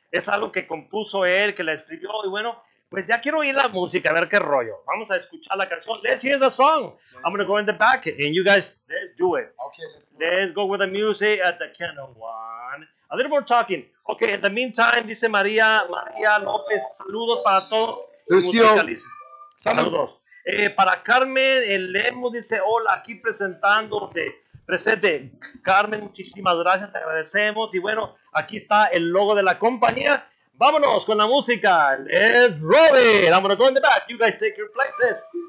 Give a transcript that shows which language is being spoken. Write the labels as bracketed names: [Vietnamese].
[Spanish] Es algo que compuso él, que la escribió, y bueno, pues ya quiero oír la música, a ver qué rollo. Vamos a escuchar la canción. [English] Let's hear the song. Yes. I'm going to go in the back, and you guys, let's do it. Okay, let's go with the music at the candle one. A little more talking. Okay, in the meantime, [Spanish] dice María López, saludos para todos. Lucio. Saludos. Para Carmen, el Lemo dice, hola, aquí presentándote. Presente, Carmen, muchísimas gracias, te agradecemos. Y bueno, aquí está el logo de la compañía. Vámonos con la música. [English] Let's roll it. I'm going to go in the back. You guys take your places.